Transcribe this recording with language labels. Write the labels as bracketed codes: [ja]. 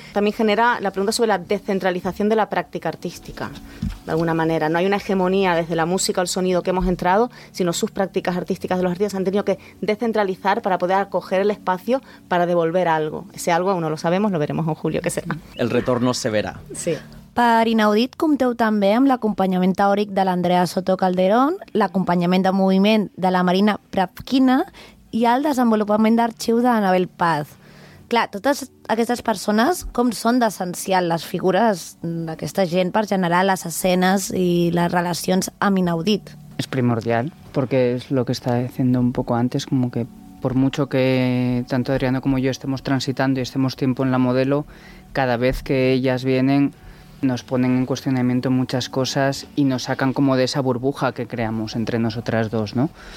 [es] También genera la pregunta sobre la descentralización de la práctica artística, de alguna manera. No hay una hegemonía desde la música al sonido que hemos entrado, sino sus prácticas artísticas de los artistas han tenido que descentralizar para poder acoger el espacio para devolver algo. Ese algo aún no lo sabemos, lo veremos en julio, ¿qué será? El retorno se verá. Sí. [ca] Per Inaudit compteu també amb l'acompanyament teòric de l'Andrea Soto Calderón, l'acompanyament de moviment de la Marina Prapkina i el desenvolupament d'arxiu de l'Anabel Paz. Clar, totes aquestes persones, com són d'essencial les figures d'aquesta gent per generar les escenes i les relacions amb Inaudit? És primordial, perquè és el que estava dient un poc abans, com que [es] per mucho que tanto Adriano como yo estemos transitando y estemos tiempo en la modelo, cada vez que ellas vienen nos ponen en cuestionamiento muchas cosas y nos sacan como de esa burbuja que creamos entre nosotras dos, ¿no?